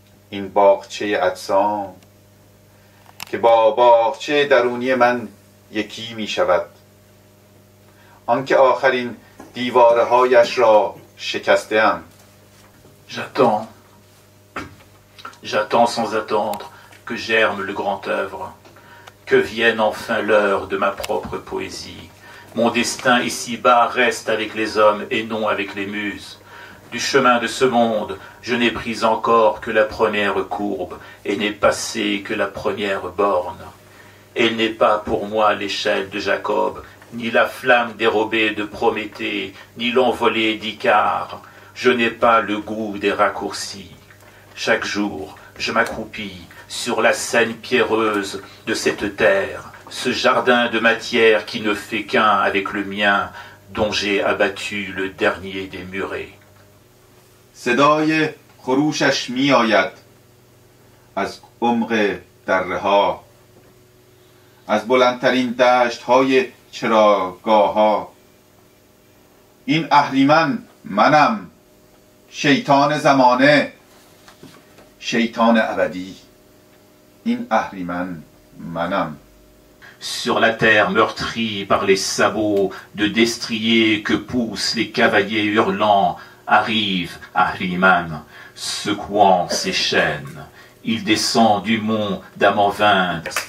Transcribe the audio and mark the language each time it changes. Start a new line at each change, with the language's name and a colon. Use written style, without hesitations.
Persian: این باغچه اجسام که با باغچه درونی من یکی می شود، آن که آخرین دیواره هایش را شکسته ام.
French: J'attends sans attendre que germe le grand œuvre, que vienne enfin l'heure de ma propre poésie. Mon destin ici-bas reste avec les hommes et non avec les muses. Du chemin de ce monde, je n'ai pris encore que la première courbe et n'ai passé que la première borne. Elle n'est pas pour moi l'échelle de Jacob, ni la flamme dérobée de Prométhée, ni l'envolée d'Icare. Je n'ai pas le goût des raccourcis. Chaque jour, je m'accroupis sur la scène pierreuse de cette terre, ce jardin de matière qui ne fait qu'un avec le mien, dont j'ai abattu le dernier des murets.
Persian: صدای خروشش می آید از عمق دره ها، از بلندترین دشت های چراگاه ها. این اهریمن منم، شیطان زمانه، شیطان ابدی. این اهریمن منم.
French: Sur la terre meurtrie par les sabots de destrier que poussent les cavaliers hurlants, arrive Ahriman, secouant ses chaînes. Il descend du mont d'Amanvint.